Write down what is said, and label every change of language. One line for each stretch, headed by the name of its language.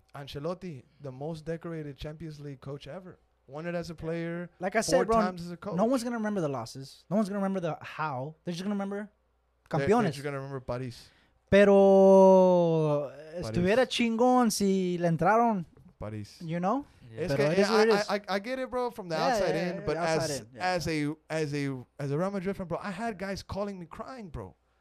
English: Ancelotti, the most decorated Champions League coach ever. Won it as a player. Like I said, bro, four times as a coach. No one's going to remember the losses. No one's going to remember the how. They're just going to remember campeones. They're just going to remember París.
Spanish: Pero estuviera chingón si le entraron. París.
English: You know? I get it, bro, from the outside, but as a Real Madrid fan, bro, I had guys calling me crying, bro.